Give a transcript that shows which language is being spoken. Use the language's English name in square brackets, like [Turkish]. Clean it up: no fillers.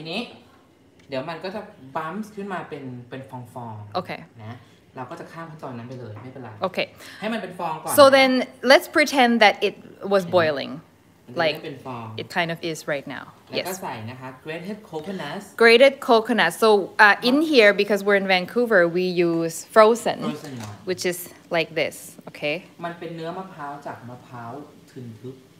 [Thai] ค่ะเข้าใจ ทีนี้เดี๋ยวมันก็จะบัมป์ขึ้นมาเป็นฟองๆ [English] Okay. [Thai] เราก็จะข้ามขั้นตอนนั้นไปเลยไม่เป็นไร [English] Okay So then let's pretend that it was boiling like it kind of is right now Yes [Thai] ใส่นะคะ [English] grated coconut so in here because we're in Vancouver we use frozen which is like this okay [Thai] มันเป็นเนื้อมะพร้าวจากมะพร้าวทึนทึบ